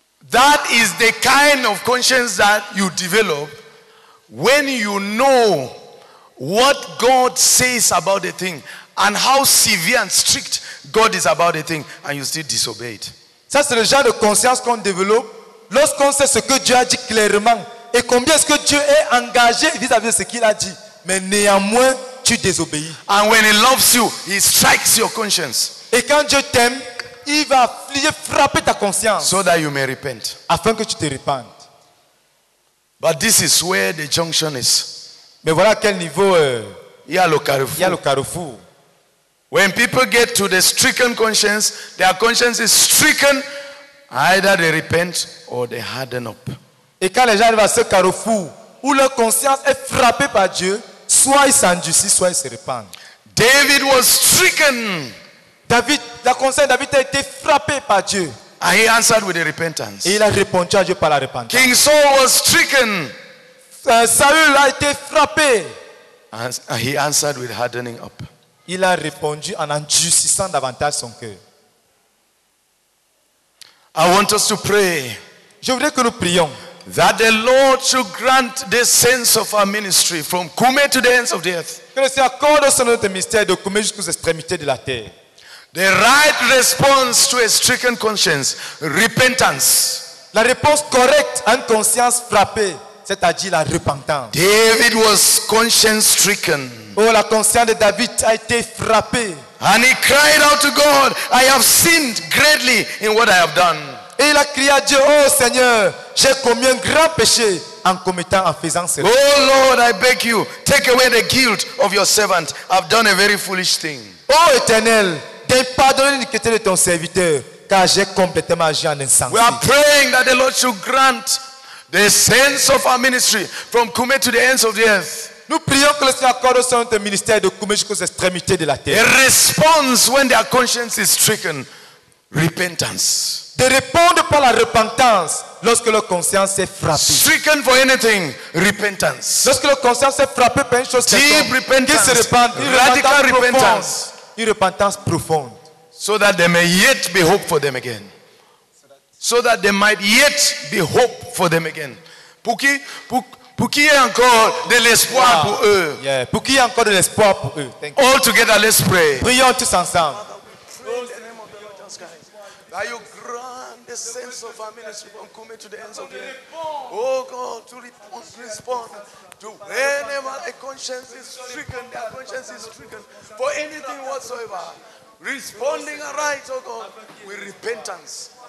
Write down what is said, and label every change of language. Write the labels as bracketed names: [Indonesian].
[English] That is the kind of conscience that you develop when you know what God says about the thing and how severe and strict God is about the thing and you still disobey it. [French] Ça, c'est le genre de conscience qu'on développe lorsqu'on sait ce que Dieu a dit clairement et combien est-ce que Dieu est engagé vis-à-vis de ce qu'il a dit. Mais néanmoins, tu désobéis. [English] And when he loves you, he strikes your conscience. [French] Et quand Dieu t'aime, il va flier, frapper ta conscience. [English] So that you may repent. [French] Afin que tu te repentes. [English] But this is where the junction is. [French] Mais voilà quel niveau il y a le carrefour. Il y a le carrefour. [English] When people get to the stricken conscience, their conscience is stricken. Either they repent or they harden up. [French] Et quand les gens arrivent à ce carrefour où leur conscience est frappée par Dieu, soit ils s'endurcissent, soit ils se repentent. [English] David was stricken. [French] David, la conscience David a été frappé par Dieu. [English] And he answered with a repentance. [French] Et il a répondu à Dieu par la repentance. [English] King Saul was stricken. [French] Saül a été frappé. [English] And he answered with hardening up. [French] Il a répondu en endurcissant davantage son cœur. [English] I want us to pray. [French] Je voudrais que nous prions. [English] That the Lord should grant the sense of our ministry from Kume to the ends of the earth. [French] Que le Seigneur accorde son notre ministère de Kume jusqu'aux extrémités de la terre. [English] The right response to a stricken conscience, repentance. [French] La réponse correcte à une conscience frappée, c'est-à-dire la repentance. [English] David was conscience stricken. [French] Oh, la conscience de David a été frappée. [English] And he cried out to God, I have sinned greatly in what I have done. [French] Et il a crié à Dieu, oh Seigneur, j'ai commis un grand péché en commettant, en faisant cela. [English] Oh Lord, I beg you, take away the guilt of your servant. I've done a very foolish thing. [French] Oh Éternel, t'ai pardonné l'iniquité de ton serviteur, car j'ai complètement agi en insensé. [English] We are praying that the Lord should grant the sense of our ministry from Kume to the ends of the earth. [French] Nous prions que le Seigneur accorde son ministère de Kume jusqu'aux extrémités de la terre. [English] A response when their conscience is stricken, repentance. [French] De répondre par la repentance, lorsque leur conscience est frappée. [English] Stricken for anything, repentance. [French] Lorsque leur conscience est frappée par une chose quelconque, qu'ils se repentent, une [English] radical repentance, [French] une repentance profonde. [English] So that there may yet be hope for them again. So that there might yet be hope for them again. [French] Pour qu'il y ait encore de l'espoir pour eux. [English] Yeah. [French] Pour qu'il y ait encore de l'espoir pour eux. [English] Thank all you. Together, let's pray. [French] Prions tous ensemble. [English] That you grant the sense of happiness from coming to the ends of the earth. Oh God, to respond to whenever a conscience is stricken, their conscience is stricken for anything whatsoever. Responding aright, oh God, with repentance.